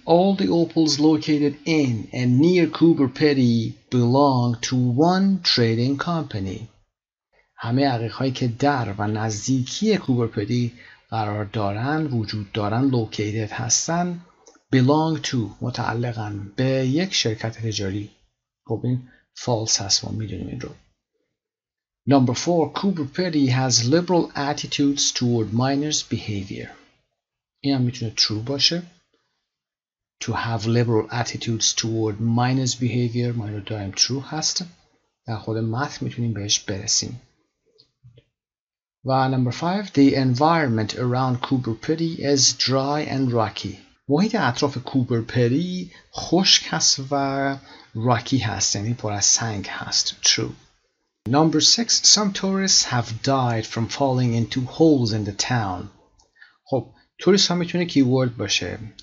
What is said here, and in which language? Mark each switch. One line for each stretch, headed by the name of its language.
English: All the opals located in and near Cooper Petty belong to one trading company.
Persian: همه عقیق هایی که در و نزدیکی کوبر پدی قرار دارن، وجود دارن، located هستن، belong to، متعلقن به یک شرکت تجاری. خب این false هست، ما میدونیم این رو. Number 4.
English: Cooper Petty has liberal attitudes toward minors' behavior. این هم میتونه true باشه. To have liberal attitudes toward minors' behavior.
Persian: ما این رو دائم true هست. در خود متن میتونیم بهش برسیم. و number 5.
English: The environment around Cooper Petty is dry and rocky.
Persian: محیط اطراف کوبر پدی خشک هست و راکی هست. یعنی پر از سنگ هست. True. Number 6.
English: Some tourists have died from falling into holes in the town.
Persian: خب توریست ها میتونه کیورد باشه.